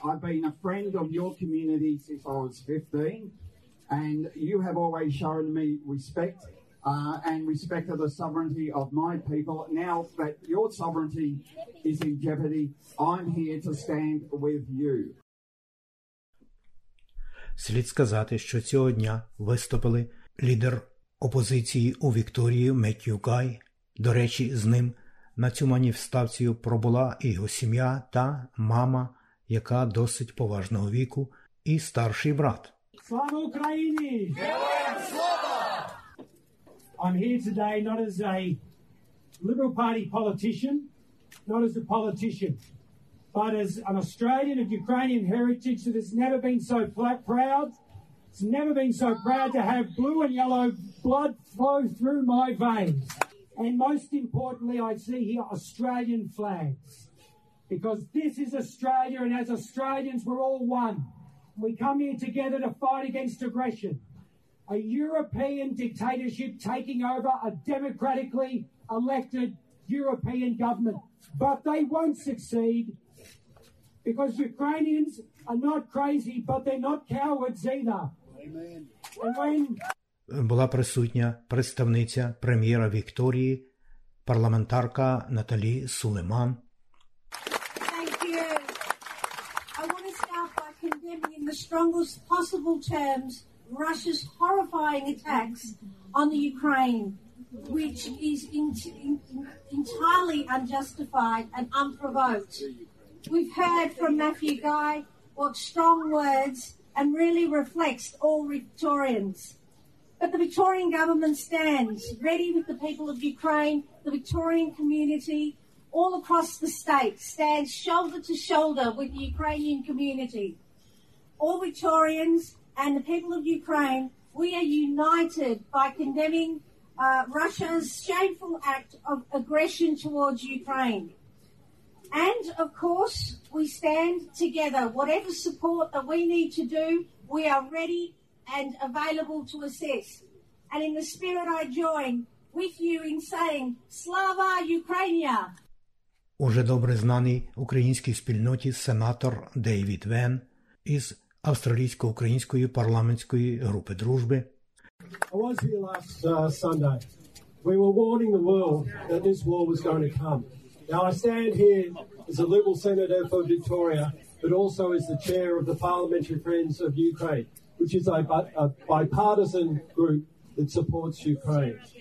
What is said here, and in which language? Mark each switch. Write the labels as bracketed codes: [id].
[en] I've been a friend of your community since I was 15, and you have always shown me respect and respect of the sovereignty of my people. Now that your sovereignty is in jeopardy, I'm here to stand with you. [uk] Слід сказати, що цього дня виступили лідер опозиції у Вікторії Меттью Гай. До речі, з ним на цю маніфестацію пробула і його сім'я та мама, яка досить поважного віку, і старший брат. Слава Україні! Героям слава! [en] I'm here today not as a Liberal Party politician, not as a politician, but as an Australian of Ukrainian heritage that has never been so proud. It's never been so proud to have blue and yellow blood flow through my veins. And most importantly, I see here Australian flags, because this is Australia, and as Australians, we're all one. We come here together to fight against aggression. A European dictatorship taking over a democratically elected European government. But they won't succeed, because Ukrainians are not crazy, but they're not cowards either. Amen. And when... [uk] Була присутня представниця прем'єра Вікторії, парламентарка Наталі Сулейман. [en] Thank you. I want to start by condemning in the strongest possible terms Russia's horrifying attacks on the Ukraine, which is entirely unjustified and unprovoked. We've heard from Matthew Guy what strong words and really reflects all Victorians. But the Victorian government stands ready with the people of Ukraine, the Victorian community, all across the state, stands shoulder to shoulder with the Ukrainian community. All Victorians and the people of Ukraine, we are united by condemning Russia's shameful act of aggression towards Ukraine. And, of course, we stand together. Whatever support that we need to do, we are ready and available to assist. And in the spirit, I join with you in saying, [uk] Slava Ukraina! Уже добре знаний українській спільноті сенатор Дейвід Вен із австралійсько-української парламентської групи дружби. [en] I was here last Sunday. We were warning the world that this war was going to come. Now I stand here as a Liberal Senator for Victoria, but also as the chair of the Parliamentary Friends of Ukraine, which is a bipartisan group that supports Ukraine.